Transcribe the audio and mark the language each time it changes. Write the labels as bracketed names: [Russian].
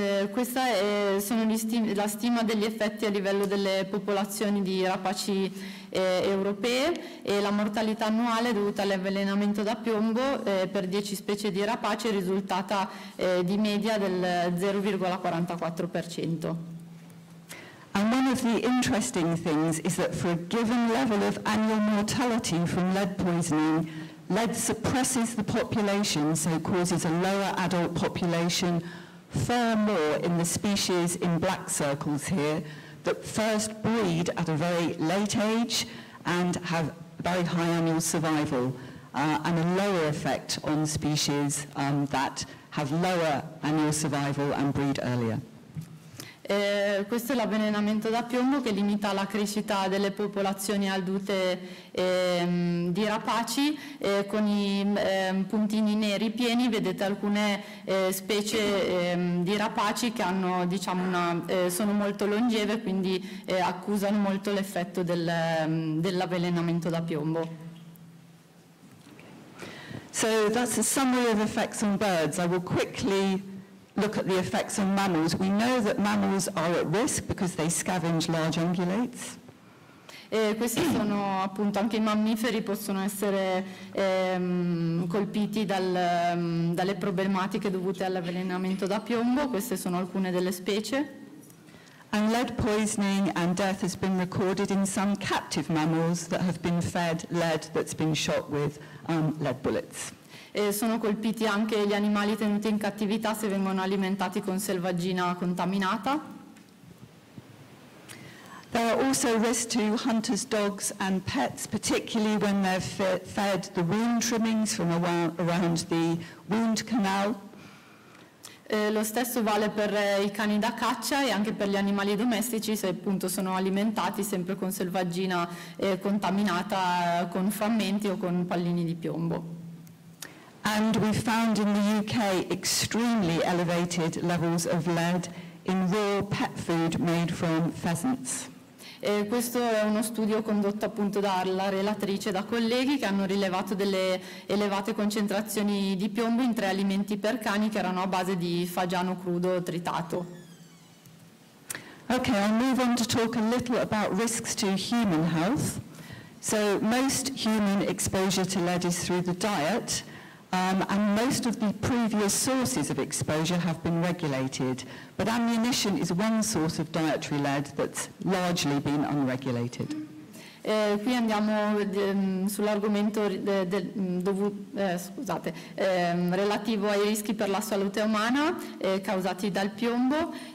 [Italian] Questa è la stima degli effetti a livello delle popolazioni di rapaci europee e la mortalità annuale dovuta all'avvelenamento da piombo per 10 specie di rapaci è risultata di media del 0,44%. [English] And one of the interesting things is that for a given level of annual mortality from lead poisoning, lead suppresses the population, so it causes a lower adult population far more in the species in black circles here that first breed at a very late age and have very high annual survival and a lower effect on species that have lower annual survival and breed earlier. [Italian] Questo è l'avvelenamento da piombo che limita la crescita delle popolazioni adulte di rapaci con i puntini neri pieni. Vedete alcune specie di rapaci che hanno, diciamo, sono molto longeve, quindi accusano molto l'effetto dell'avvelenamento da piombo. [English] So that's a summary of effects on birds. I will quickly look at the effects on mammals. We know that mammals are at risk because they scavenge large ungulates. [Italian] Questi sono appunto anche i mammiferi possono essere colpiti dalle problematiche dovute all'avvelenamento da piombo. Queste sono alcune delle specie. [English] And lead poisoning and death has been recorded in some captive mammals that have been fed lead that's been shot with lead bullets. [Italian] E sono colpiti anche gli animali tenuti in cattività se vengono alimentati con selvaggina contaminata. [English] There are also risks to hunters, dogs and pets, particularly when they're fed the wound trimmings from around the wound canal. [Italian] Lo stesso vale per i cani da caccia e anche per gli animali domestici se appunto sono alimentati sempre con selvaggina contaminata con frammenti o con pallini di piombo. [English] And we found in the UK extremely elevated levels of lead in raw pet food made from pheasants. [Italian] Questo è uno studio condotto appunto dalla relatrice e da colleghi che hanno rilevato delle elevate concentrazioni di piombo in 3 alimenti per cani che erano a base di fagiano crudo tritato. [English] Okay, I'll move on to talk a little about risks to human health. So most human exposure to lead is through the diet. And most of the previous sources of exposure have been regulated, but ammunition is one source of dietary lead that's largely been unregulated. [Italian] Qui andiamo sull'argomento relativo ai rischi per la salute umana causati dal piombo.